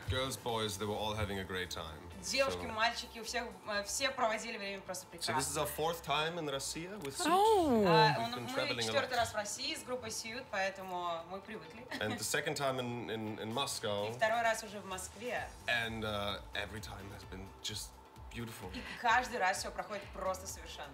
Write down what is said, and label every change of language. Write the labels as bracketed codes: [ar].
[en] Girls, boys, they were all having a great time. [ru] Девушки, мальчики, все проводили время просто прекрасно. [en] So this is our fourth time in Russia with Suit. [ru] Четвертый раз в России с группой Suit, поэтому мы привыкли. [en] And the second time in Moscow. [ru] И второй раз уже в Москве. [en] And every time has been just beautiful. [ru] И каждый раз все проходит просто совершенно.